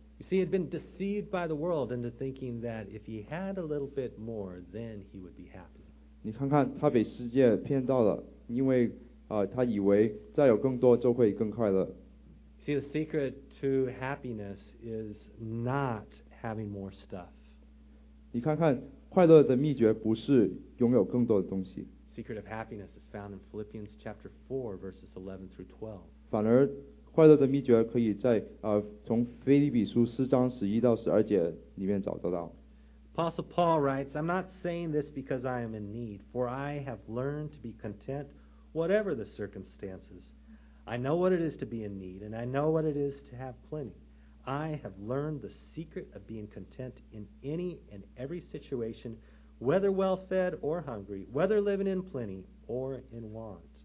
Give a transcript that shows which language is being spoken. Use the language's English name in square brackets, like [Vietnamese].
[English] You see, he had been deceived by the world into thinking that if he had a little bit more, then he would be happy. [Chinese] 你看看，他被世界骗到了，因为他以为再有更多就会更快乐。 [English] See, the secret to happiness is not having more stuff. [Chinese] 你看看，快乐的秘诀不是拥有更多的东西。 [English] The secret of happiness is found in Philippians chapter 4, verses 11 through 12. [Chinese] 反而快乐的秘诀可以在从腓立比书四章十一到十二节里面找得到。 [English] Apostle Paul writes, I'm not saying this because I am in need, for I have learned to be content whatever the circumstances. I know what it is to be in need, and I know what it is to have plenty. I have learned the secret of being content in any and every situation,whether well fed or hungry, whether living in plenty or in want.